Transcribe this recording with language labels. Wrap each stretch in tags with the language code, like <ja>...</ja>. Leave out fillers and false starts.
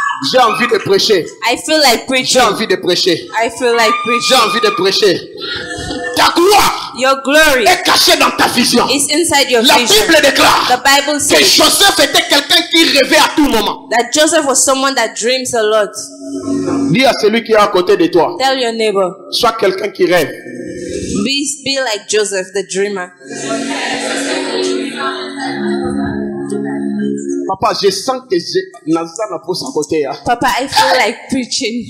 <fr>J'ai envie de prêcher.</fr> <en>I feel like preaching.</en> <fr>J'ai envie de prêcher.</fr> <en>I feel like preaching.</en> <fr>J'ai envie de prêcher. Ta gloire.</fr> <en>Your glory</en> <fr>est caché dans ta vision.</fr> <en>Is inside your vision.</en> <fr>La Bible déclare.</fr> <en>The Bible says</en> <fr>que Joseph était quelqu'un qui rêvait à tout moment.</fr> <en>That Joseph was someone that dreams a lot.</en> <fr>Dis à celui qui est à côté de toi.</fr> <en>Tell your neighbor.</en> <fr>Sois quelqu'un qui rêve.</fr> <en>Be like Joseph, the dreamer.</en> <fr>Papa, je sens que je n'ai pas la force à côté. Hein.</fr> <en>Papa, I feel like preaching.</en>